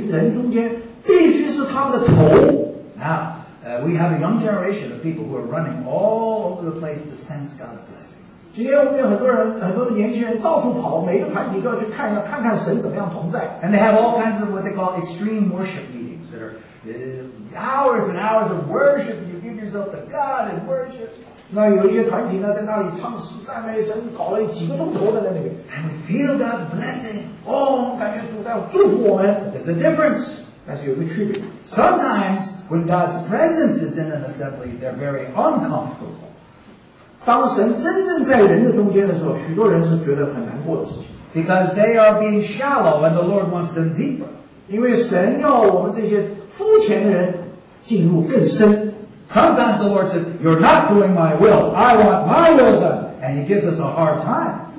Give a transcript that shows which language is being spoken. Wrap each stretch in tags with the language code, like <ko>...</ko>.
<zh>基督在这一群人中间必须是他们的头.</zh> <en>Now, we have a young generation of people who are running all over the place to sense God's blessing.</en> <zh>今天我们有很多人，很多的年轻人到处跑，每个团体都要去看一下，看看神怎么样同在.</zh> <en>And they have all kinds of what they call extreme worship meetings that are hours and hours of worship. You give yourself to God and worship.</en> <zh>那有一些团体呢，在那里唱诗赞美神，搞了几个钟头在那里面.</zh> <en>And we feel God's blessing.</en> <zh>哦，感觉主在祝福我们.</zh> <en>There's a difference.</en> <zh>但是有一个区别.</zh> <en>Sometimes when God's presence is in an assembly, they're very uncomfortable.</en> <zh>当神真正在人的中间的时候，许多人是觉得很难过的事情.</zh> <en>Because they are being shallow, and the Lord wants them deeper.</en> <zh>因为神要我们这些肤浅的人进入更深.</zh> <en>Sometimes the Lord says, you're not doing my will, I want my will done. And he gives us a hard time.</en>